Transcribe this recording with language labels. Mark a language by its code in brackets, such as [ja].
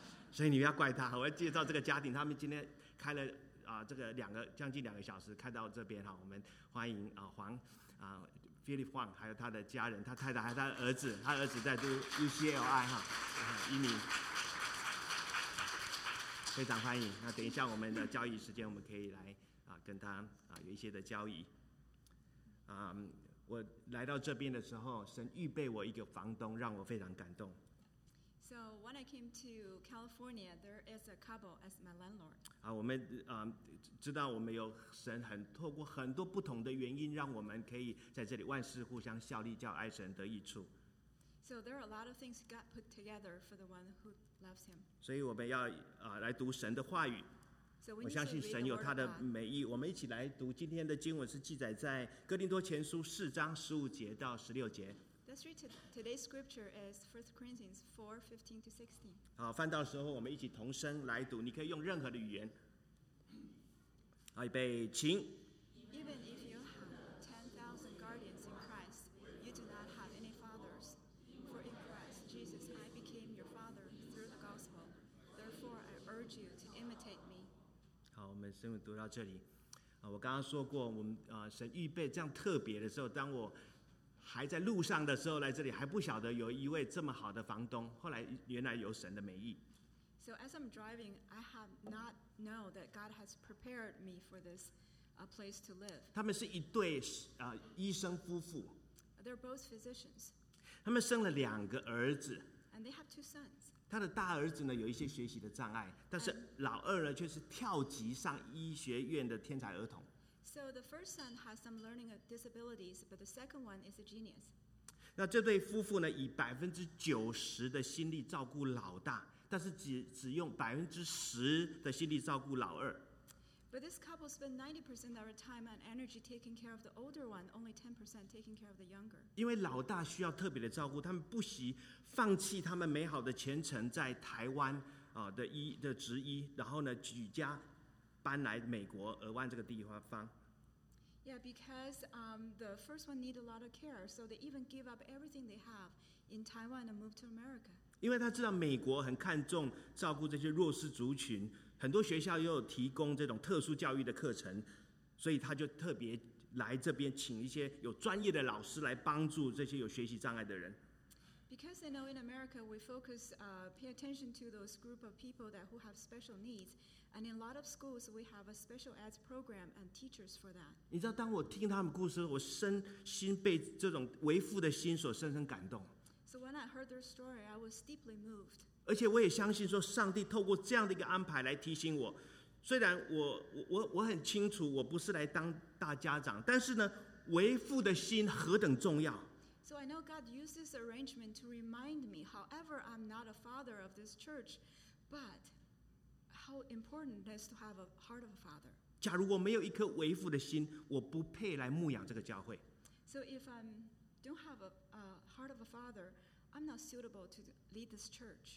[zh] 所以你不要怪他，我要介绍这个家庭，他们今天开了这个将近两个小时开到这边哈，我们欢迎Philip Huang 还有他的家人，他太太还有他的儿子，他儿子在读 UCLI 哈，一名，非常欢迎。那等一下我们的交易时间，我们可以来跟他有一些的交易。我来到这边的时候，神预备我一个房东，让我非常感动。 [en] So when I came to California, there is a couple as my landlord. [zh] 我们知道我们有神很透过很多不同的原因，让我们可以在这里万事互相效力，叫爱神得益处。 [en] So there are a lot of things God put together for the one who loves Him. [zh] 所以我们要来读神的话语。 [en] So we [zh] 我相信神有他的美意。我们一起来读今天的经文，是记载在哥林多前书四章十五节到十六节。 [en] Let's read today's scripture is 1 Corinthians 4:15-16. [zh] 好，翻到的时候我们一起同声来读，你可以用任何的语言。好，预备，请。 [en] Even if you have 10,000 guardians in Christ, you do not have any fathers. For in Christ Jesus I became your father through the gospel. Therefore I urge you to imitate me. [zh] 好，我们先读到这里。我刚刚说过，我们神预备这样特别的时候，当我还在路上的时候来这里，还不晓得有一位这么好的房东。后来原来有神的美意。 [en] So as I'm driving, I have not known that God has prepared me for this place to live. [zh] 他们是一对医生夫妇。 [en] They're both physicians. [zh] 他们生了两个儿子。 [en] And they have two sons. [zh] 他的大儿子呢有一些学习的障碍，但是老二呢却是跳级上医学院的天才儿童。 [en] So the first son has some learning disabilities, but the second one is a genius. [zh] 那这对夫妇呢以 90% 的心力照顾老大，但是 只用 10% 的心力照顾老二。 [en] But this couple spend 90% of our time and energy taking care of the older one, only 10% taking care of the younger. [zh] 因为老大需要特别的照顾，他们不惜放弃他们美好的前程，在台湾的职医，然后呢举家搬来美国俄湾这个地方。 [en] Yeah, because the first one need a lot of care, so they even give up everything they have in Taiwan and move to America. [zh] 因为他知道美国很看重照顾这些弱势族群。很多学校也有提供这种特殊教育的课程，所以他就特别来这边请一些有专业的老师来帮助这些有学习障碍的人。 [en] Because they know in America we focus, pay attention to those group of people that who have special needs, and in a lot of schools we have a special ed program and teachers for that. [zh] 你知道，当我听他们故事，我深心被这种为父的心所深深感动。 [en] So when I heard their story, I was deeply moved. [zh] 而且我也相信说，上帝透过这样的一个安排来提醒我。虽然我很清楚我不是来当大家长，但是呢，为父的心何等重要。 [en] So I know God used this arrangement to remind me. However, I'm not a father of this church, but how important it is to have a heart of a father. [zh] 假如我没有一颗为父的心，我不配来牧养这个教会。 [en] So if I'm don't have a heart of a father, I'm not suitable to lead this church.